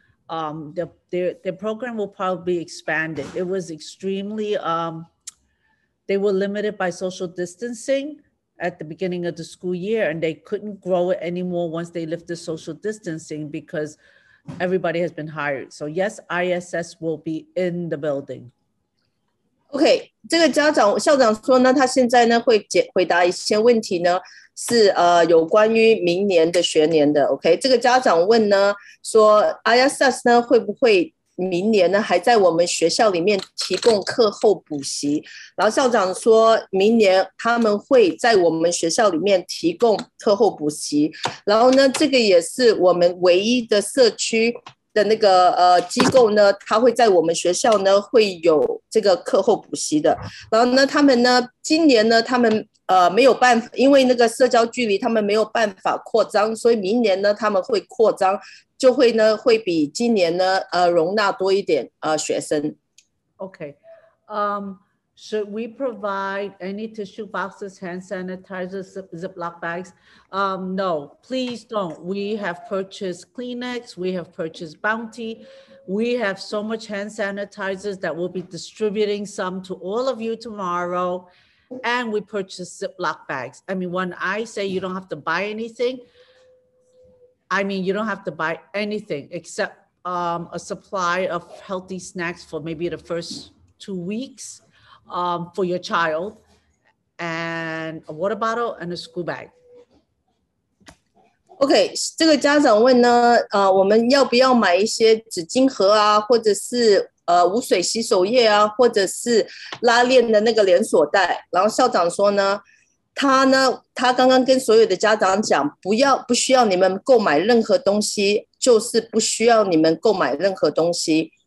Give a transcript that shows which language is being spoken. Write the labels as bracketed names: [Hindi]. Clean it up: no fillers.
[English] Their program will probably be expanded. It was extremely, they were limited by social distancing at the beginning of the school year, and they couldn't grow it anymore once they lifted social distancing because everybody has been hired. So yes, ISS will be in the building. [Chinese] Okay, 这个家长校长说呢，他现在呢会回答一些问题呢，是有关于明年的学年的。 Okay, 这个家长问呢，说 ISS 呢会不会明年呢还在我们学校里面提供课后补习，然后校长说明年他们会在我们学校里面提供课后补习，然后呢这个也是我们唯一的社区的那个机构呢，他会在我们学校呢会有这个课后补习的，然后呢他们呢今年呢他们没有办法，因为那个社交距离他们没有办法扩张，所以明年呢他们会扩张，就会呢会比今年呢容纳多一点学生。 [English] Okay, should we provide any tissue boxes, hand sanitizers, Ziploc bags? No, please don't. We have purchased Kleenex, we have purchased Bounty. We have so much hand sanitizers that we'll be distributing some to all of you tomorrow. And we purchased Ziploc bags. I mean, when I say you don't have to buy anything, I mean, you don't have to buy anything except a supply of healthy snacks for maybe the first 2 weeks. For your child, and a water bottle and a school bag. [Chinese] Okay, 这个家长问呢，我们要不要买一些纸巾盒啊，或者是无水洗手液啊，或者是拉链的那个连锁袋？然后校长说呢，他刚刚跟所有的家长讲，不需要你们购买任何东西，就是不需要你们购买任何东西。